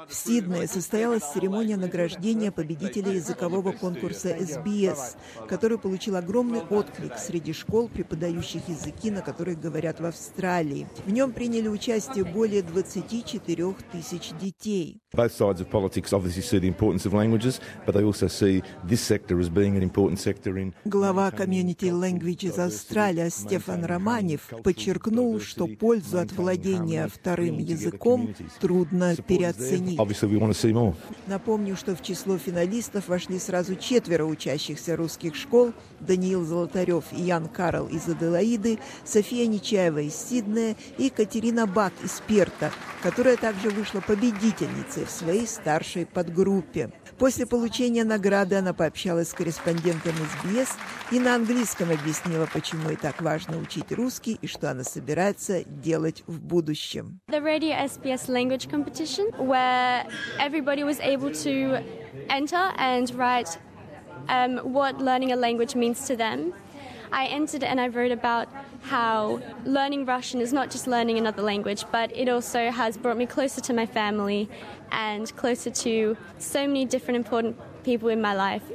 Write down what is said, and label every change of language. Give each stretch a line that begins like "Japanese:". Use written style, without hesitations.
Russian: В Сиднее состоялась церемония награждения победителя языкового конкурса SBS, который получил огромный отклик среди школ, преподающих языки, на которых говорят в Австралии. В нем приняли участие более 24 тысяч детей.
English: Both sides of politics obviously see the importance of languages, but they also see this sector as being an important sector in.
Russian: Глава Community Languages Australia Стефан Романев подчеркнул, что пользу от владения вторым языком трудно переоценить.
English: Obviously we want to see more.
Russian: Напомню, что в число финалистов вошли сразу четверо учащихся русских школ: Даниил Золотарев и Ян Карл из Аделаиды, София Нечаева из Сиднея и Катерина Бак из Перта, которая также вышла победительницей в своей старшей подгруппе. После получения награды она пообщалась с корреспондентом SBS и на английском объяснила, почему ей так важно учить русский и что она собирается делать в будущем.
English: The Radio SBS language competition, where everybody was able to enter and write what learning a language means to them. I entered and I wrote about how learning Russian is not just learning another language, but it also has brought me closer to my family and closer to so many different important people in my life.